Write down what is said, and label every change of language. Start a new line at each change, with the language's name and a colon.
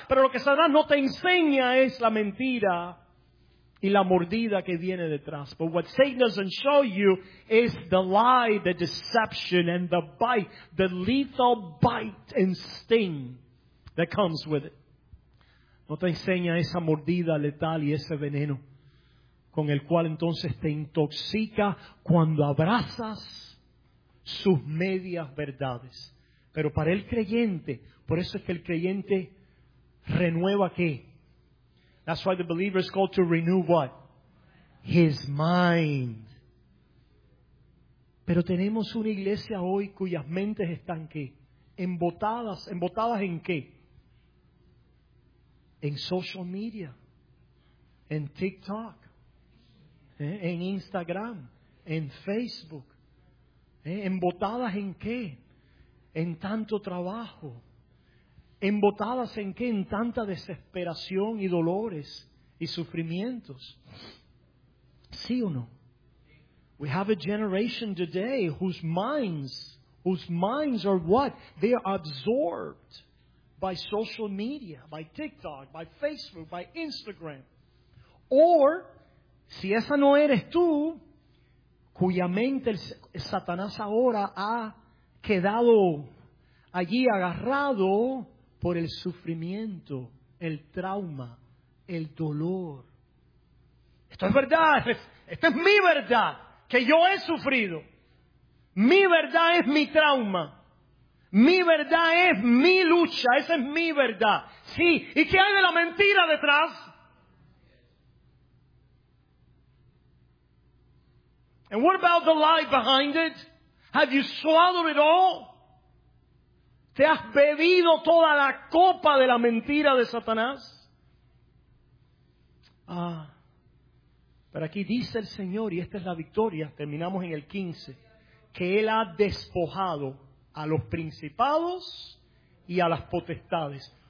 Spanish: Pero lo que Satanás no te enseña es la mentira y la mordida que viene detrás.
English: But what Satan doesn't show you is the lie, the deception, and the bite, the lethal bite and sting that comes with it.
Spanish: No te enseña esa mordida letal y ese veneno con el cual entonces te intoxica cuando abrazas sus medias verdades. Pero para el creyente, por eso es que el creyente renueva ¿qué?
English: That's why the believer is called to renew what? His mind.
Spanish: Pero tenemos una iglesia hoy cuyas mentes están ¿qué? Embotadas. ¿Embotadas en qué? En social media. En TikTok. En Instagram. En Facebook. ¿Embotadas en qué? En tanto trabajo. ¿Embotadas en qué? En tanta desesperación y dolores y sufrimientos. ¿Sí o no?
English: We have a generation today whose minds are what? They are absorbed by social media, by TikTok, by Facebook, by Instagram.
Spanish: Or, si esa no eres tú, cuya mente Satanás ahora ha quedado allí agarrado por el sufrimiento, el trauma, el dolor. Esto es verdad, esta es mi verdad, que yo he sufrido. Mi verdad es mi trauma. Mi verdad es mi lucha, esa es mi verdad. Sí, ¿y qué hay de la mentira detrás?
English: And what about the lie behind it? Have you swallowed it all?
Spanish: ¿Te has bebido toda la copa de la mentira de Satanás? Ah, pero aquí dice el Señor, y esta es la victoria, terminamos en el 15, que Él ha despojado a los principados y a las potestades.